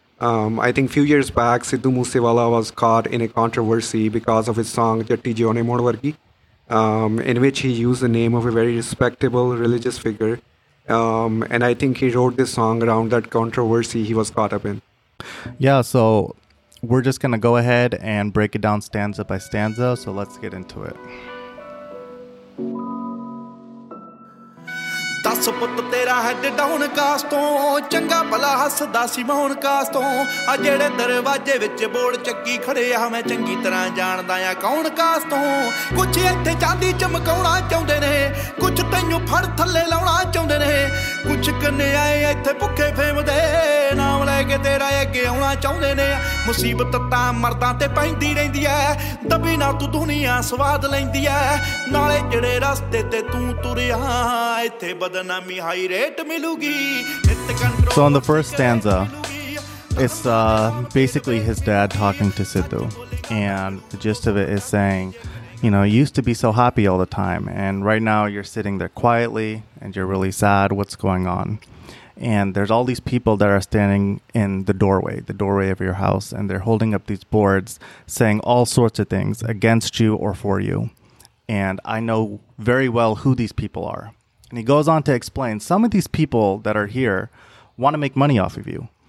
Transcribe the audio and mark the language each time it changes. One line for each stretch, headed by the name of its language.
English: I think a few years back, Sidhu Moosewala was caught in a controversy because of his song, Jatti Jone Morvargi, in which he used the name of a very respectable religious figure. And I think he wrote this song around that controversy he was caught up in. Yeah, so we're just going to go ahead and break it down stanza by stanza. So let's get into it.
Punjabi: ਦਸ ਪੁੱਤ ਤੇਰਾ ਹੈ ਡਾਉਣ ਕਾਸ ਤੋਂ ਚੰਗਾ ਭਲਾ ਹੱਸਦਾ ਸੀ ਮੌਣ ਕਾਸ ਤੋਂ ਆ ਜਿਹੜੇ ਦਰਵਾਜੇ ਵਿੱਚ ਬੋਰਡ ਚੱਕੀ ਖੜੇ ਆ ਮੈਂ ਚੰਗੀ ਤਰ੍ਹਾਂ ਜਾਣਦਾ ਆ ਕੌਣ ਕਾਸ ਤੋਂ ਕੁਛ ਇੱਥੇ ਚਾਂਦੀ ਚਮਕਾਉਣਾ ਚਾਹੁੰਦੇ ਨੇ ਕੁਛ ਤੈਨੂੰ ਫੜ ਥੱਲੇ ਲਾਉਣਾ ਚਾਹੁੰਦੇ ਨੇ ਕੁਛ ਕੰਨੇ ਆਏ ਇੱਥੇ ਭੁੱਖੇ ਫੇਮਦੇ ਨਾਮ ਲੈ ਕੇ ਤੇਰਾ ਅੱਗੇ ਆਉਣਾ ਚਾਹੁੰਦੇ ਨੇ ਮੁਸੀਬਤ ਤਾਂ ਮਰਦਾਂ ਤੇ ਪੈਂਦੀ ਰਹਿੰਦੀ ਹੈ ਦਬੀ ਨਾਲ ਤੂੰ ਦੁਨੀਆਂ ਸਵਾਦ ਲੈਂਦੀ ਹੈ ਨਾਲੇ ਜਿਹੜੇ ਰਸਤੇ ਤੇ ਤੂੰ ਤੁਰਿਆ ਇੱਥੇ ਬਦਨਾਮੀ ਹਾਈ ਰੇਟ ਮਿਲੂਗੀ
English: So on the first stanza it's basically his dad talking to Sidhu and the gist of it is saying You know, you used to be so happy all the time. And right now you're sitting there quietly and you're really sad. What's going on? And there's all these people that are standing in the doorway of your house. And they're holding up these boards saying all sorts of things against you or for you. And I know very well who these people are. And he goes on to explain some of these people that are here want to make money off of you.